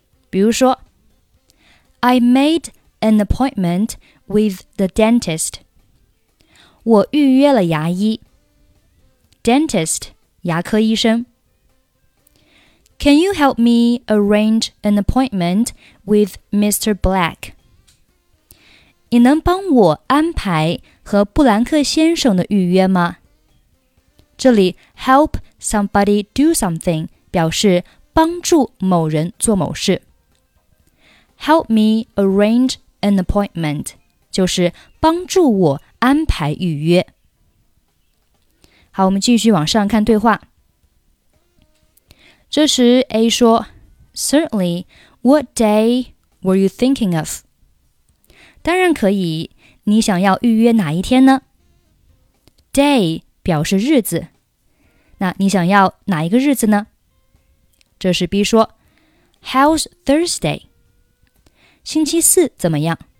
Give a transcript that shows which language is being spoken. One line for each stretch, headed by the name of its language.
Chinese: 比如说
English: ，I made an appointment with the dentist。
Chinese: 我预约了牙医。dentist 牙科医生。
English: Can you help me arrange an appointment with Mr. Black?
Chinese: 你能帮我安排和布兰克先生的预约吗？这里
English: help somebody do something
Chinese: 表示帮助某人做某事。
English: Help me arrange an appointment
Chinese: 就是帮助我安排预约。好，我们继续往上看对话。这时 A 说
English: Certainly, what day were you thinking of?
Chinese: 当然可以，你想要预约哪一天呢？Day 表示日子，那你想要哪一个日子呢？这时 B 说
English: How's Thursday?
Chinese: 星期四怎么样？